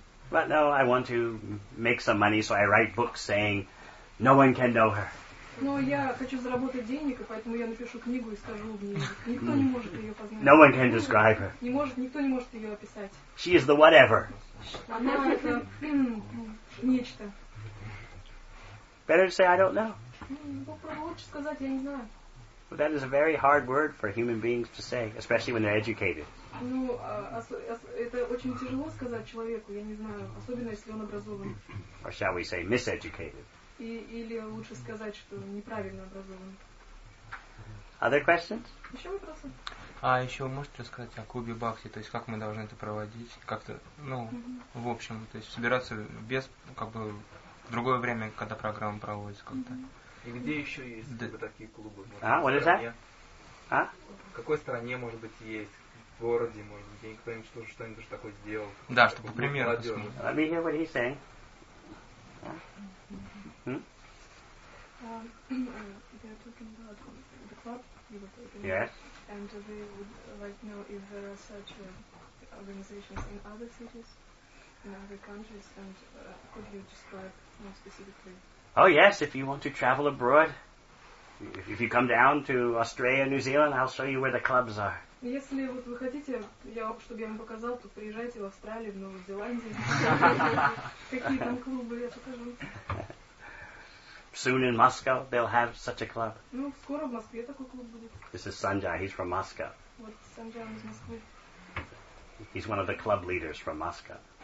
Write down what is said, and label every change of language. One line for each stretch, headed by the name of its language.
English: But no, I want to make some money, so I write books saying no one can know her.
Russian: Но я хочу заработать денег, и поэтому я напишу книгу и скажу в ней. Никто не может ее познать.
English: No one can describe her.
Russian: Не может, никто не может ее описать.
English: She is the whatever.
Russian: Она это нечто.
English: Better to say I don't know.
Russian: Лучше сказать я не знаю.
English: But that is a very hard word for human beings to say, especially when they're educated.
Russian: Ну, это очень тяжело сказать человеку, я не знаю, особенно если он образован.
English: Or shall we say miseducated?
Russian: Или лучше сказать, что неправильно образован.
English: Other questions?
Russian: Еще вопросы? А еще вы можете рассказать о клубе Бхакти, то есть как мы должны это проводить, как-то, ну, в общем, то есть собираться без, как бы, в другое время, когда программа проводится как-то. И где еще есть такие клубы?
English: А, what is that? А?
Russian: В какой стране, может быть, есть? В городе, может быть, где кто-нибудь тоже что-нибудь уже такое сделал? Да, чтобы по примеру посмотреть.
English: Let me hear what he's saying. They are talking about the club, you were talking about, yes. And they would like to know if there are such organizations in other cities, in other countries, and could you describe more specifically? Oh yes, if you want to travel abroad, if you come down to Australia, New Zealand, I'll show you where the clubs are.
Russian: Если вот вы хотите, я вам, чтобы я вам показал, то приезжайте в Австралию, в Новую Зеландию. Какие там клубы, я покажу.
English: Soon in Moscow, they'll have such a club.
Russian: Ну, скоро в Москве такой клуб будет.
English: This is Sanjay, he's from Moscow.
Russian: Вот, Sanjay, он из Москвы.
English: He's one of the club leaders from Moscow.